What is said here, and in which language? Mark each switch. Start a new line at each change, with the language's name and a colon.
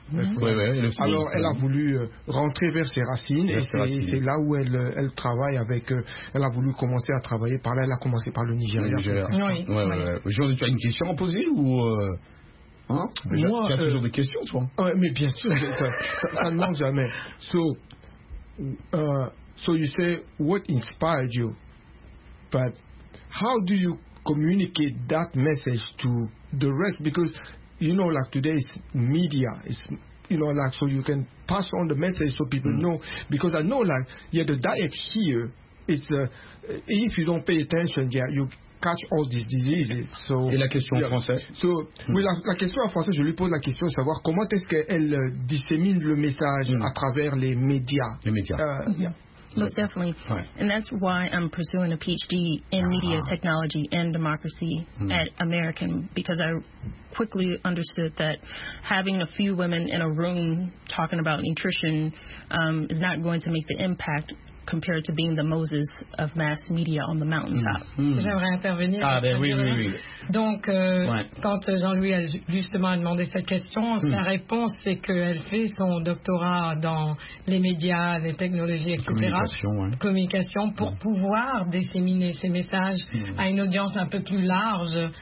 French: Alors, elle a voulu rentrer vers ses racines et c'est là où elle travaille avec. Elle a voulu commencer à travailler par là. Elle a commencé par le Nigeria. Jean, tu as une question à poser ou. Hein? Moi, tu as toujours des questions, toi. Ouais, mais bien sûr, ça ne manque jamais.
English: So you say what inspired you, but how do you communicate that message to the rest? Because you know, like today is media, it's you know, like so you can pass on the message so people know. Because I know, like, yeah, the diet here, it's if you don't pay attention, yeah, you. Catch all these diseases. So,
French: et la question en français. La question en français, je lui pose la question de savoir comment est-ce qu'elle dissémine le message à travers les médias. Les médias.
English: Most definitely. Right. And that's why I'm pursuing a PhD in media technology and democracy at American, because I quickly understood that having a few women in a room talking about nutrition is not going to make the impact compared to being the Moses of mass media on the mountaintop.
French: J'aimerais intervenir. Ah, ben oui. Donc, quand Jean-Louis a justement demandé cette question, sa réponse, c'est qu'elle fait son doctorat dans les médias, les technologies, etc. Communication pour pouvoir disséminer ces messages à une audience un peu plus large.